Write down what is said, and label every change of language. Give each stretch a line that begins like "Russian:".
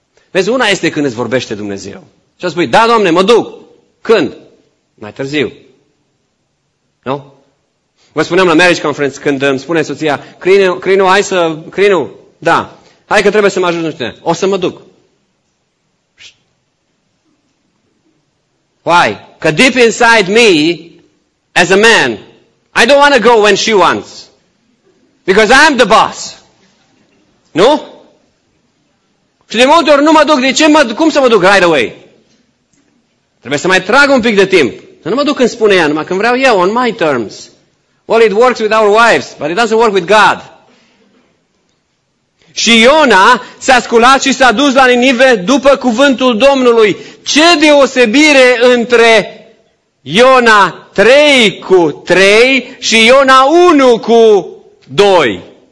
Romanian: Vezi, una este când îți vorbește Dumnezeu. Și a spus, da, Doamne, mă duc. Când? Mai târziu. Nu? Vă spuneam la marriage conference când îmi spune soția, Crinu, da, hai că trebuie să mă ajut, nu știu, o să mă duc.
English: Why? Că deep inside me, as a man, I don't want to go when she wants. Because I'm the boss. Nu?
Romanian: Și de multe ori nu mă duc, de ce mă, cum să mă duc
English: right away?
Romanian: Trebuie să mai trag un pic de timp. Să nu mă duc când spune ea, numai când vreau eu,
English: on my terms. Well, it works with our wives, but it doesn't work with God.
Romanian: Și Iona s-a sculat și s-a dus la Ninive după cuvântul Domnului. Ce deosebire între Iona 3 cu 3 și Iona 1 cu 2.